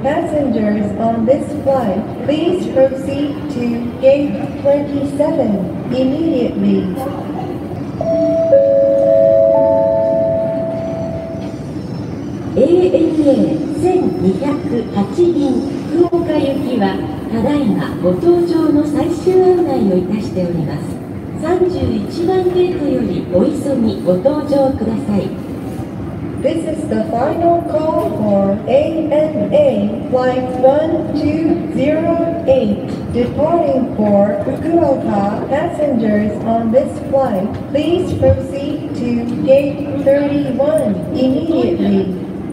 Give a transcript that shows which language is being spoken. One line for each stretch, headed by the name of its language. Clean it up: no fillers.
English: Passengers on this flight, please proceed to gate 27 immediately.
Japanese: ANA 1208便福岡行きはただいまご搭乗の最終案内をいたしております。 31番ゲートよりお急ぎご搭乗ください。
English: This is the final call for ANA flight 1208 departing for Fukuoka. Passengers on this flight, please proceed to gate 31 immediately